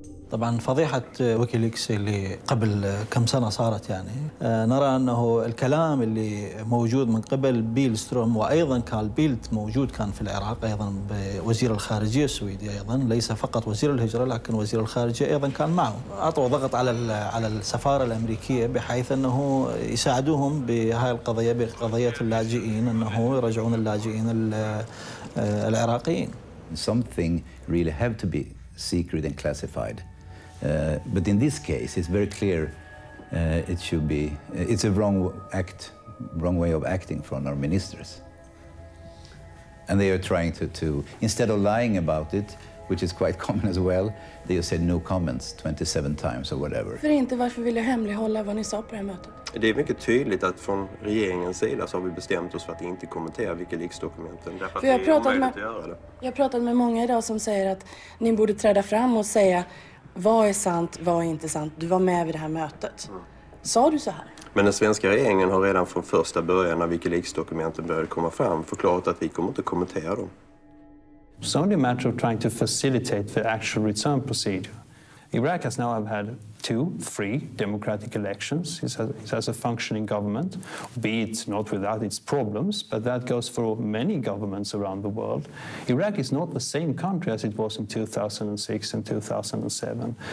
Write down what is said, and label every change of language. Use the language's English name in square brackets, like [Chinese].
[Arabic] طبعا فضيحة ويكيليكس اللي قبل كم سنة صارت، يعني نرى أنه الكلام اللي موجود من قبل بيلستروم وأيضا كارل بيلت موجود كان في العراق أيضا بوزير الخارجية السويدي، أيضا ليس فقط وزير الهجرة لكن وزير الخارجية أيضا كان معه، أعطوا ضغط على السفارة الأمريكية بحيث أنه يساعدوهم بهذه القضية، بقضية اللاجئين، أنه يرجعون اللاجئين العراقيين. [English] Something really have to be secret and classified. But in this case, it's very clear it should be, it's a wrong way of acting from our ministers. And they are trying to, instead of lying about it, which is quite common as well, they have said no comments 27 times or whatever. [Swedish] För inte, varför vill jag hemlighålla vad ni sa på det här mötet? Det är mycket tydligt att från regeringens sida så har vi bestämt oss för att inte kommentera vilka leaksdokumenten. För jag har pratat med, många idag som säger att ni borde träda fram och säga vad är sant, vad är inte sant. Du var med vid det här mötet. Sa du så här? Men den svenska regeringen har redan från första början av vilka leaksdokumenten började komma fram förklarat att vi kommer inte kommentera dem. [English] It's only a matter of trying to facilitate the actual return procedure. Iraq has now had two free democratic elections. It has a functioning government, be it not without its problems, but that goes for many governments around the world. Iraq is not the same country as it was in 2006 and 2007.